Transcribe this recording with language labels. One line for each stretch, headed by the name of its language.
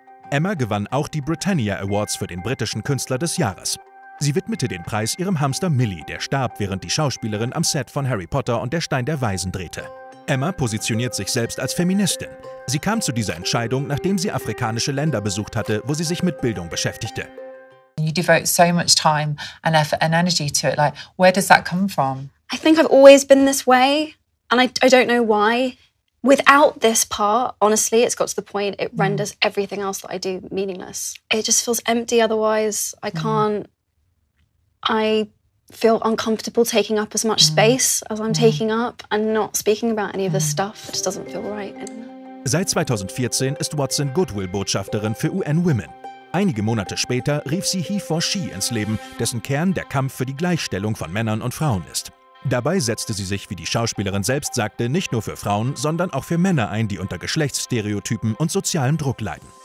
German: Emma gewann auch die Britannia Awards für den britischen Künstler des Jahres. Sie widmete den Preis ihrem Hamster Millie, der starb, während die Schauspielerin am Set von Harry Potter und der Stein der Weisen drehte. Emma positioniert sich selbst als Feministin. Sie kam zu dieser Entscheidung, nachdem sie afrikanische Länder besucht hatte, wo sie sich mit Bildung beschäftigte.
English: You devote so much time and effort and energy to it. Like, where does that come from? I think I've always been this way, and I don't know why. Without this part, honestly, it's got to the point it renders everything else that I do meaningless. It just feels empty otherwise. I can't. I feel uncomfortable taking up as much space as I'm taking up and not speaking about any of this stuff. It just doesn't feel right.
German: Seit 2014 ist Watson Goodwill-Botschafterin für UN Women. Einige Monate später rief sie He for She ins Leben, dessen Kern der Kampf für die Gleichstellung von Männern und Frauen ist. Dabei setzte sie sich, wie die Schauspielerin selbst sagte, nicht nur für Frauen, sondern auch für Männer ein, die unter Geschlechtsstereotypen und sozialem Druck leiden.